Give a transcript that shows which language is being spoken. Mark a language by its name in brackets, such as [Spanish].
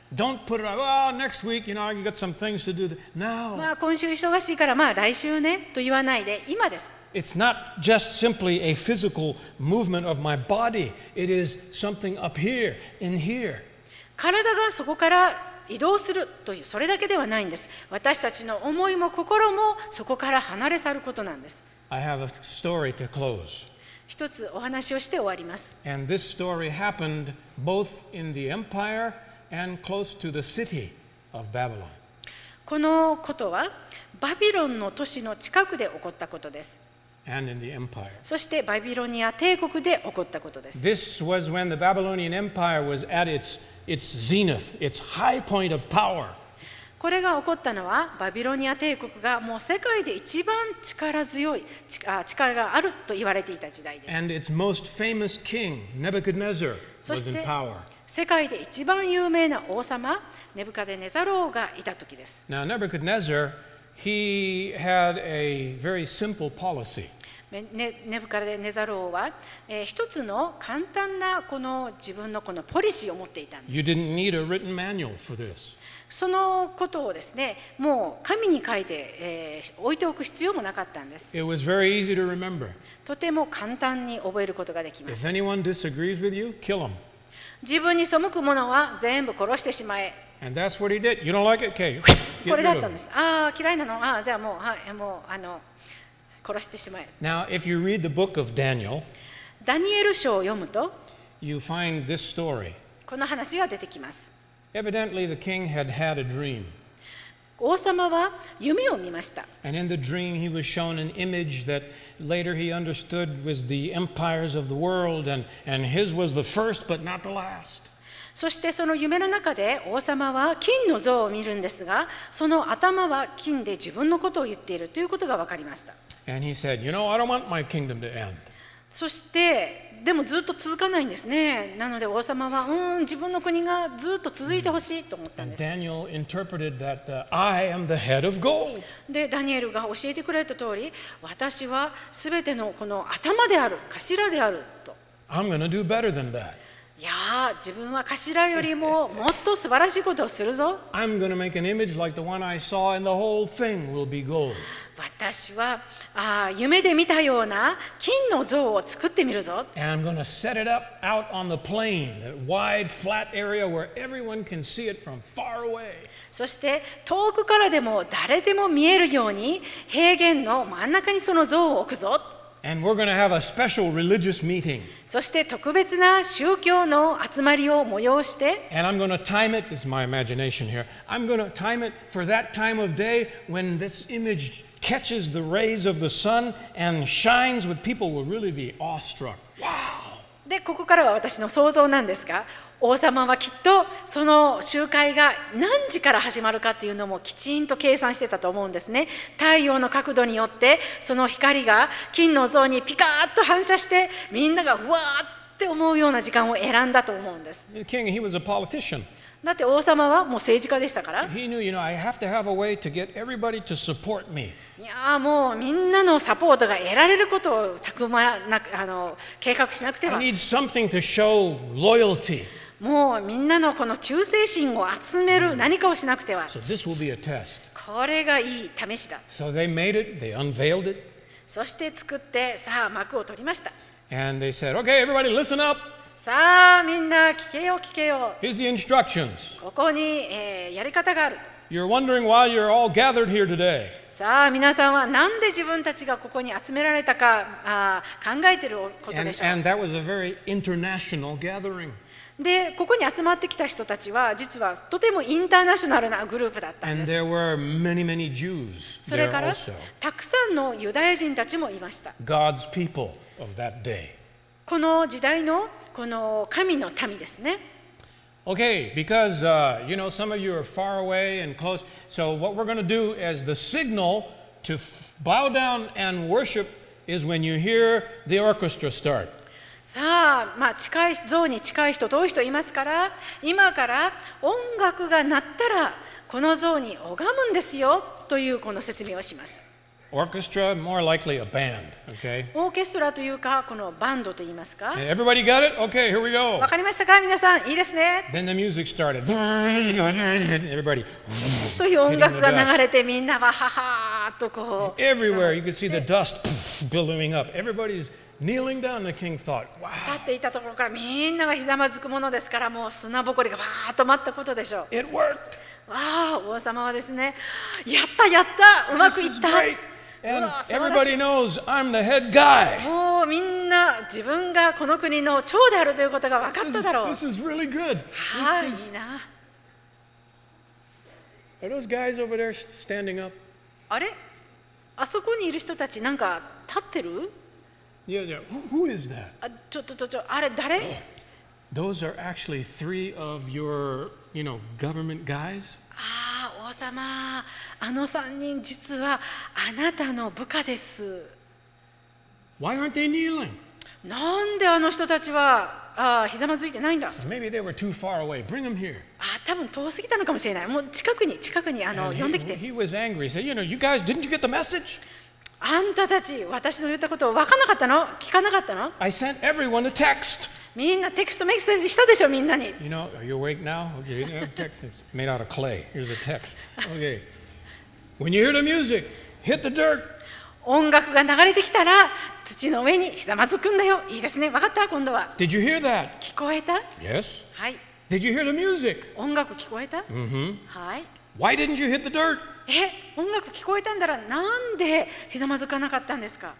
[English] Don't put it out. Well, next week, you know, you got some things to do. Now. [Japanese] まあ今週忙しいから、まあ来週ねと言わないで、今です。 [English] It's not just simply a physical movement of my body. It is something up here, in here. [Japanese] 体がそこから移動するというそれだけではないんです。私たちの思いも心もそこから離れ去ることなんです。 [English] I have a story to close. [Japanese] 一つお話をして終わります。 [English] And this story happened both in the empire and close to the city of Babylon. [Japanese] このことはバビロンの都市の近くで起こったことです。 [English] And in the empire. [Japanese] そしてバビロニア帝国で起こったことです。 [English] This was when the Babylonian Empire was at its zenith, its high point of power. [Japanese] これが起こったのはバビロニア帝国がもう世界で一番力強い力があると言われていた時代です。 [English] And its most famous king, Nebuchadnezzar, was in power. [Japanese] そして世界で一番有名な王様ネブカデネザル王がいた時です。 [English] Now Nebuchadnezzar. He had a very simple policy. [Japanese] ネブカデネザル王は、一つの簡単なこの自分のこのポリシーを持っていたんです。 [English] You didn't need a written manual for this. [Japanese] そのことをですね、もう紙に書いて、置いておく必要もなかったんです。 [English] It was very easy to remember. [Japanese] とても簡単に覚えることができます。 [English] If anyone disagrees with you, kill them. [Japanese] 自分に背く者は全部殺してしまえ。 [English] And that's what he did. You don't like it, okay? [Japanese] これだったんです。ああ、嫌いなの。ああ、じゃあもう、はい、もう殺してしまえ。 [English] Now, if you read the book of Daniel, [Japanese] ダニエル書を読むと、 [English] you find this story. [Japanese] この話が出てきます。 [English] Evidently, the king had had a dream. [Japanese] 王様は夢を見ました。 [English] And in the dream, he was shown an image that later he understood was the empires of the world, and his was the first, but not the last. [Japanese] そしてその夢の中で王様は金の像を見るんですが、その頭は金で自分のことを言っているということが分かりました。 [English] And he said, you know, I don't want my kingdom to end. [Japanese] そしてでもずっと続かないんですね。なので王様は、自分の国がずっと続いてほしいと思ったんです。 [English] And Daniel interpreted that, I am the head of gold. [Japanese] で、ダニエルが教えてくれた通り、私はすべてのこの頭である、頭であると。 [English] I'm going to do better than that. [Japanese] いや自分は頭よりももっと素晴らしいことをするぞ。 [English] I'm going to make an image like the one I saw and the whole thing will be gold. [Japanese] 私は夢で見たような金の像を作ってみるぞ。 [English] And I'm going to set it up out on the plain, that wide flat area where everyone can see it from far away. [Japanese] そして遠くからでも誰でも見えるように平原の真ん中にその像を置くぞ。 [English] And we're going to have a special religious meeting. [Japanese] そして特別な宗教の集まりを催して。 [English] And I'm going to time it. This is my imagination here. I'm going to time it for that time of day when this image catches the rays of the sun and shines. With people will really be awestruck. Wow. [Japanese] で、ここからは私の想像なんですが、王様はきっとその集会が何時から始まるかというのもきちんと計算してたと思うんですね。太陽の角度によってその光が金の像にピカーッと反射してみんながうわーって思うような時間を選んだと思うんです。 [English] King, he was a politician. [Japanese] だって王様はもう政治家でしたから。 [English] He knew, you know, I have to have a way to get everybody to support me. [Japanese] いやもうみんなのサポートが得られることをたくまなく計画しなくては。 [English] I need something to show loyalty. [Japanese] もうみんなのこの忠誠心を集める何かをしなくては。 [English] So this will be a test. [Japanese] これがいい試しだ。 [English] So they made it. They unveiled it. [Japanese] そして作ってさあ幕を取りました。 [English] And they said, "Okay, everybody, listen up." [Japanese] さあみんな聞けよ聞けよ。 [English] Here's the instructions. [Japanese] ここに、やり方がある。 [English] You're wondering why you're all gathered here today. [Japanese] さあ皆さんはなんで自分たちがここに集められたか考えていることでしょう。 [English] And that was a very international gathering. [Japanese] でここに集まってきた人たちは実はとてもインターナショナルなグループだったんです。 [English] And there were many, many Jews there also. [Japanese] それからたくさんのユダヤ人たちもいました。 [English] God's people of that day. [Japanese] この時代のこの神の民ですね。 [English] Okay, because you know some of you are far away and close. So what we're going to do as the signal to bow down and worship is when you hear the orchestra start. [Japanese] さあ、まあ近い像に近い人遠い人いますから、今から音楽が鳴ったらこの像に拝むんですよというこの説明をします。 [English] Orchestra, more likely a band. Okay. [Japanese] オーケストラというかこのバンドと言いますか。 [English] And everybody got it? Okay, here we go. [Japanese] わかりましたか皆さん。いいですね。 [English] Then the music started. Everybody. [Japanese] という音楽が流れてみんなはははーとこう。 [English] Everywhere you can see the dust billowing up. Everybody's kneeling down. The king thought, Wow. [Japanese] 立っていたところからみんながひざまずくものですからもう砂ぼこりがわーっと舞ったことでしょう。 [English] It worked. [Japanese] わあ王様はですね、やったやった、うまくいった。 [English] And everybody knows I'm the head guy. [Japanese] もうみんな自分がこの国の長であるということが分かっただろう。 [English] This is really good. [Japanese] はい、いいな。 [English] Are those guys over there standing up? [Japanese] あれ、あそこにいる人たちなんか立ってる [English] ？Yeah, yeah. Who is that? [Japanese] あ、ちょ、あれ誰、 [English] ？Those are actually three of your, you know, government guys. [Japanese] 王様、あの三人実はあなたの部下です。 [English] Why aren't they kneeling? [Japanese] なんであの人たちはひざまずいてないんだ。 [English] Maybe they were too far away. Bring them here. [Japanese] 多分遠すぎたのかもしれない。もう近くに呼んできて。 [English] He was angry. He said, "You know, you guys, didn't you get the message?" [Japanese] あんたたち、私の言ったことを分かなかったの？聞かなかったの？ [English] I sent everyone a text. [Japanese] みんなテキストメッセージしたでしょみんなに。 [English] You know, are you awake now? Okay, you know, text is made out of clay. Here's a text. Okay. When you hear the music, hit the dirt. [Japanese] 音楽が流れてきたら土の上にひざまずくんだよ。いいですね。分かった今度は。 [English] Did you hear that? [Japanese] 聞こえた [English] ？Yes. [Japanese] はい。 [English] Did you hear the music? [Japanese] 音楽聞こえた？Mm-hmm. はい。 [English] Why didn't you hit the dirt? [Japanese] 音楽聞こえたんだらなんでひざまずかなかったんですか